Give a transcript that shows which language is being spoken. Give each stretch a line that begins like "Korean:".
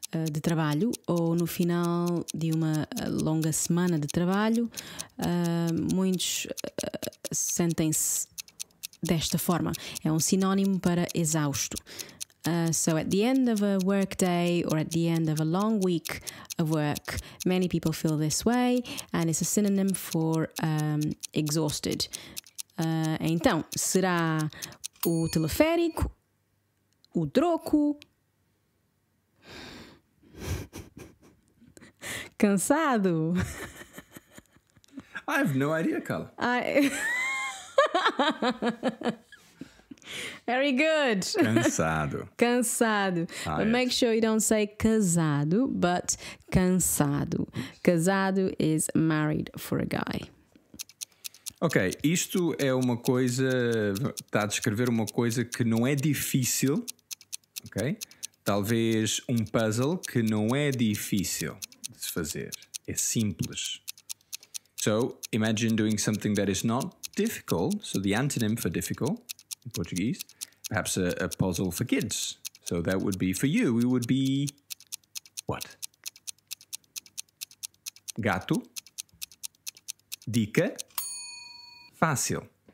Portuguese: de trabalho, ou no final de uma longa semana de trabalho, muitos sentem-se desta forma. É sinónimo para exausto.
English: So at the end of a work day or at the end of a long week of work, many people feel this way and it's a synonym for exhausted.
Portuguese: Então, será o teleférico, o troco... Cansado.
English: I have no idea, Carla. Very good.
Portuguese: Cansado. Cansado.
English: But make sure you don't say casado, but cansado. Casado is married for a guy.
Portuguese: Ok, isto é uma coisa... Está a descrever uma coisa que não é difícil. Ok? Talvez puzzle que não é difícil de se fazer. É simples.
English: So, imagine doing something that is not difficult. So, the antonym for difficult in Portuguese. Perhaps a puzzle for kids. So, that would be for you. It would be... What?
Portuguese: Gato. Dica. Fácil.